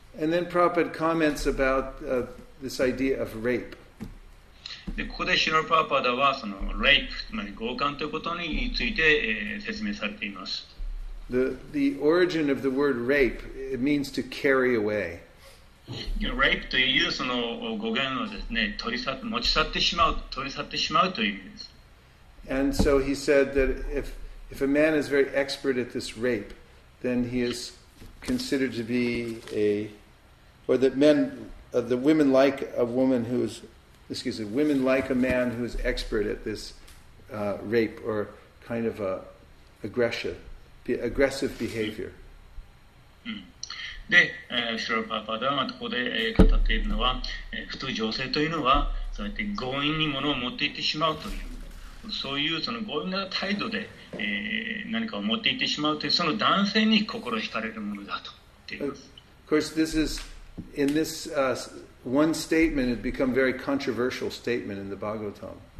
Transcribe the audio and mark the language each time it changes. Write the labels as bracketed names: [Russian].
[English] And then Prabhupada comments about this idea of rape. [Japanese] で、ここでシュラル・プラパダはそのレイプ、つまり強姦ということについて、説明されています。 [English] The origin of the word rape, it means to carry away. [Japanese] Rape というその語源はですね、取り去、持ち去ってしまう、取り去ってしまうという意味です。 [English] And so he said that if a man is very expert at this rape, then he is considered to be a, or that men, the women like a woman who is, excuse me, women like a man who is expert at this rape or kind of a aggression, aggressive behavior. [Japanese] で、シュラル・プラパダはここで語っているのは、普通女性というのはそうやって強引に物を持っていってしまうという。そういうその強引な態度で、何かを持っていってしまうというその男性に心惹かれるものだと言っています。 [English] Of course, this is in this one statement, it become very controversial statement in the Bhagavatam.